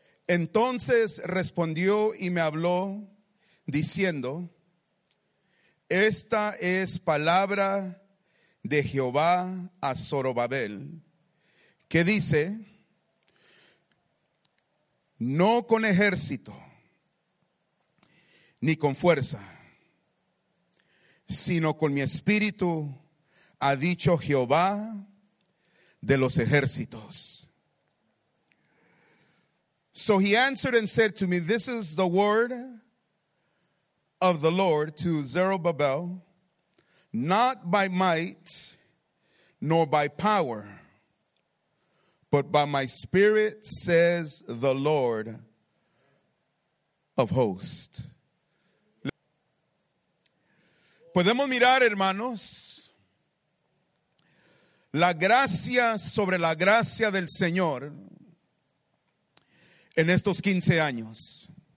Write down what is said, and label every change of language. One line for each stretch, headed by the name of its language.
Spanish: Entonces respondió y me habló diciendo, esta es palabra de Jehová a Zorobabel, que dice, no con ejército ni con fuerza, sino con mi espíritu, ha dicho Jehová de los ejércitos.
English: So he answered and said to me, this is the word of the Lord to Zerubbabel, not by might nor by power, but by my spirit, says the Lord of hosts.
Spanish: Podemos mirar, hermanos, la gracia sobre la gracia del Señor en estos 15 años.